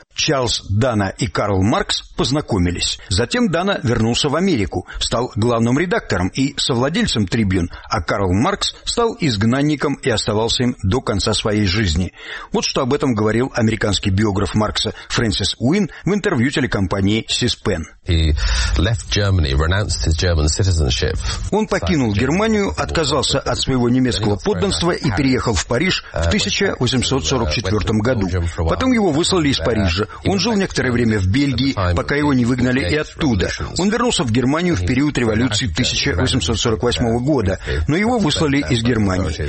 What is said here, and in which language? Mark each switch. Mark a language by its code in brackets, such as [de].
[ru] Чарльз Дана и Карл Маркс познакомились. Затем Дана вернулся в Америку, стал главным редактором и совладельцем «Трибьюн», а Карл Маркс стал изгнанником и оставался им до конца своей жизни. Вот что об этом говорил американский биограф Маркса Фрэнсис Уинн в интервью телекомпании C-SPAN. [en] He left Germany, renounced his German citizenship. [ru] Он покинул Германию, отказался от своего немецкого подданства и переехал в Париж в 1844 году. Потом его выслали из Парижа. Он жил некоторое время в Бельгии, пока его не выгнали и оттуда. Он вернулся в Германию в период революции 1848 года, но его выслали из Германии.